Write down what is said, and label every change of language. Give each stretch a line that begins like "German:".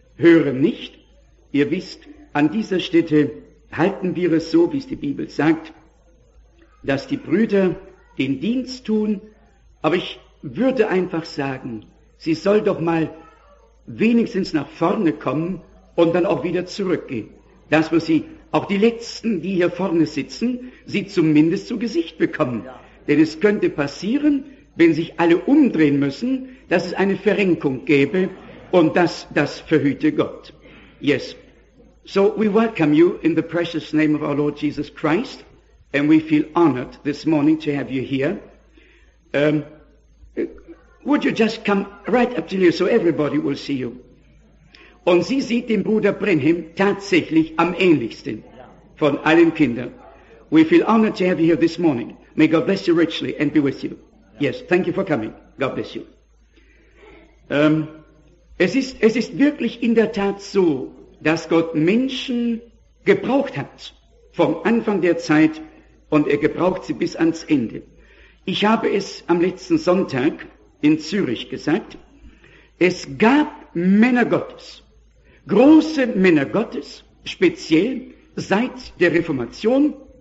German: Höre nicht, ihr wisst, an dieser Stätte halten wir es so, wie es die Bibel sagt, dass die Brüder den Dienst tun, aber ich würde einfach sagen, sie soll doch mal wenigstens nach vorne kommen und dann auch wieder zurückgehen. Dass wir sie, auch die Letzten, die hier vorne sitzen, sie zumindest zu Gesicht bekommen. Ja. Denn es könnte passieren, wenn sich alle umdrehen müssen, dass es eine Verrenkung gäbe und das verhüte Gott.
English: Yes. So we welcome you in the precious name of our Lord Jesus Christ and we feel honored this morning to have you here. Would you just come right up to here so everybody will see you?
German: Und sie sieht den Bruder Branham tatsächlich am ähnlichsten von allen Kindern.
English: We feel honored to have you here this morning. May God bless you richly and be with you. Yes, thank you for coming. God bless you.
German: Es ist wirklich in der Tat so, dass Gott Menschen gebraucht hat vom Anfang der Zeit und er gebraucht sie bis ans Ende. Ich habe es am letzten Sonntag in Zürich gesagt, es gab Männer Gottes, große Männer Gottes, speziell seit der Reformation.